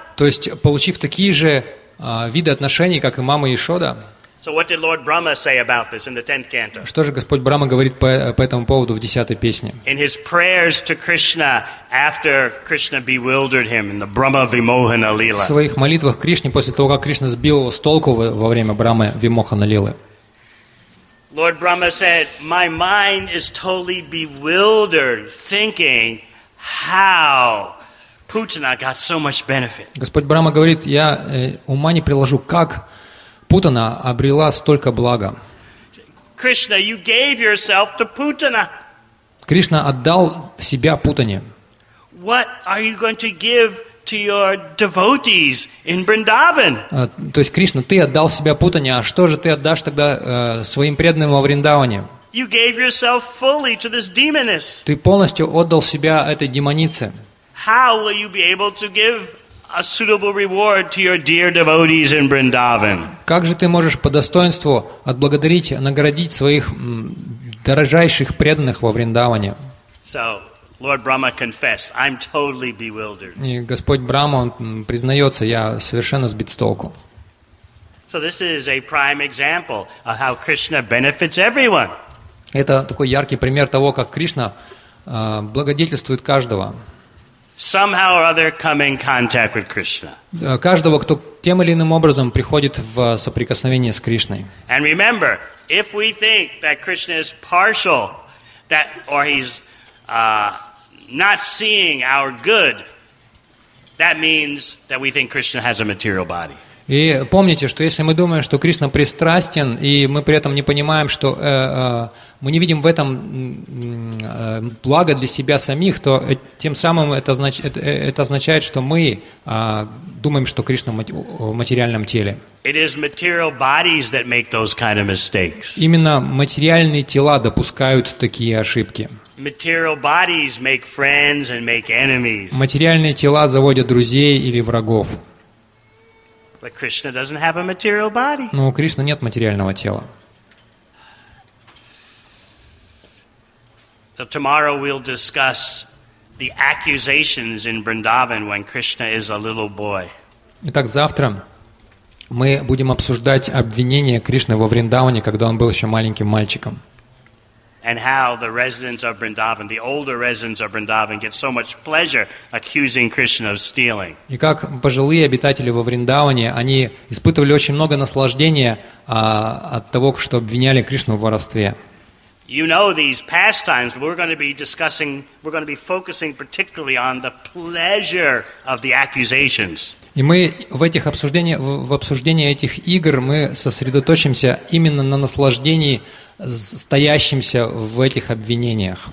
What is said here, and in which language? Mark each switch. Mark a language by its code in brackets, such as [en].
[ru] То есть, получив такие же виды отношений, как и мама Яшода. Что же Господь Брахма говорит по этому поводу в 10-й песне? [en] In his prayers to Krishna after Krishna bewildered him in the Brahma Vimohana Lila. [ru] В своих молитвах Кришне после того, как Кришна сбил его с толку во время Брахма Вимохана Лилы. [en] Lord Brahma said, "My mind is totally bewildered thinking how Putana got so much benefit." [ru] Господь Брахма говорит, я ума не приложу, как Путана обрела столько блага. [en] Krishna, you gave yourself to Putana. [ru] Кришна отдал себя Путане. [en] What are you going to give to your devotees in Vrindavan? [ru] То есть, Кришна, ты отдал себя Путане, а что же ты отдашь тогда своим преданным во Вриндаване? [en] You gave yourself fully to this demoness. [ru] Ты полностью отдал себя этой демонице. [en] How will you be able to give a suitable reward to your dear devotees in Vrindavan? [ru] Как же ты можешь по достоинству отблагодарить, наградить своих дорожайших преданных во Вриндаване? [en] So, Lord Brahma confessed, I'm totally bewildered. [ru] И Господь Брахма, он признается, я совершенно сбит с толку. [en] So this is a prime example of how Krishna benefits everyone. [ru] Это такой яркий пример того, как Кришна благодетельствует каждого. [en] somehow or other come in contact with Krishna. [ru] Каждого, кто тем или иным образом приходит в соприкосновение с Кришной. [en] And remember, if we think that Krishna is partial, that or he's not seeing our good, that means that we think Krishna has a material body. [ru] И помните, что если мы думаем, что Кришна пристрастен, и мы при этом не понимаем, что мы не видим в этом благо для себя самих, то тем самым это означает, что мы думаем, что Кришна в материальном теле. [en] It is material bodies that make those kind of mistakes. [ru] Именно материальные тела допускают такие ошибки. [en] Material bodies make friends and make enemies. [ru] Материальные тела заводят друзей или врагов. [en] But Krishna doesn't have a material body. [ru] Но у Кришны нет материального тела. [en] So tomorrow we'll discuss the accusations in Vrindavan when Krishna is a little boy. [ru] Итак, завтра мы будем обсуждать обвинения Кришны во Вриндаване, когда он был еще маленьким мальчиком. [en] And how the residents of Vrindavan, the older residents of Vrindavan, get so much pleasure accusing Krishna of stealing. [ru] И как пожилые обитатели во Вриндаване, они испытывали очень много наслаждения от того, что обвиняли Кришну в воровстве. [en] You know these pastimes, but we're going to be focusing particularly on the pleasure of the accusations. [ru] И мы в обсуждении этих игр мы сосредоточимся именно на наслаждении стоящимся в этих обвинениях.